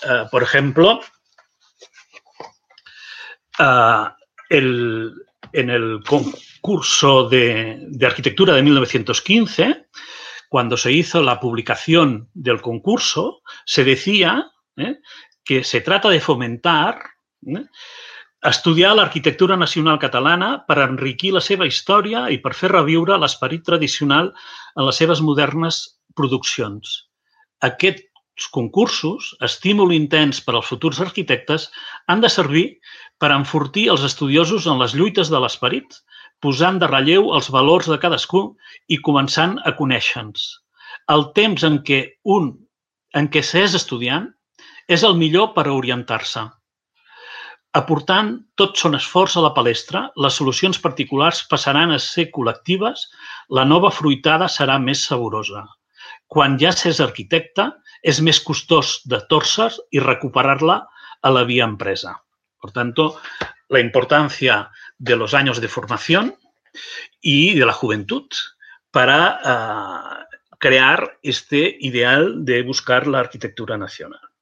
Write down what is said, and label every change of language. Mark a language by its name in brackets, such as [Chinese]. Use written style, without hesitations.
[Spanish] Por ejemplo, en el concurso de arquitectura de 1915, cuando se hizo la publicación del concurso, se decía que se trata de fomentar [Catalan] Estudià l'arquitectura nacional catalana per enriquir la seva història i per fer reviure l'esperit tradicional en les seves modernes produccions. Aquests concursos, estímul intens per als futurs arquitectes, han de servir per enfortir els estudiosos en les lluites de l'esperit, posant de relleu els valors de cadascú i començant a conèixer-nos. El temps en què s'és estudiant és el millor per orientar-se. Aportant tot son esforç a la palestra, les solucions particulars passaran a ser col·lectives, la nova fruitada serà més saborosa. Quan ja s'és arquitecte, és més costós de torcer i recuperar-la a la via empresa. Per tant, la importància [Spanish] de los años de formación y de la juventud para crear este ideal de buscar la arquitectura nacional.